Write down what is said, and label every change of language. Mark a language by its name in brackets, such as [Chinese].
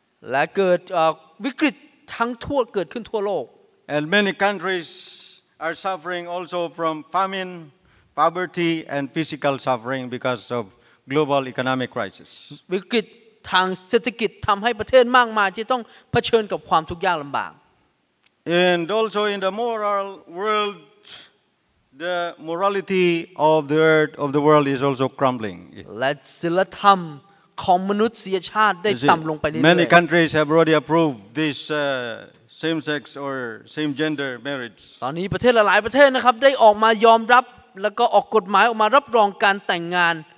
[Thai] และเกิดวิกฤตทั้งทั่วเกิดขึ้นทั่วโลก [English] and many countries are suffering also from famine poverty and physical suffering because of global economic crisis [Thai] วิกฤตทางเศรษฐกิจทำให้ประเทศมากมายที่ต้องเผชิญกับความทุกข์ยากลำบาก [English] and also in the moral world the morality of the earth of the world is also crumbling [Thai] และศีลธรรมของมนุษยชาติได้ต่ำลงไปเรื่อยๆ [English] Many countries have already approved this same-sex or same-gender marriage. [Thai] ตอนนี้ประเทศหลายประเทศนะครับได้ออกมายอมรับแล้วก็ออกกฎหมายออกมารับรองการแต่งงาน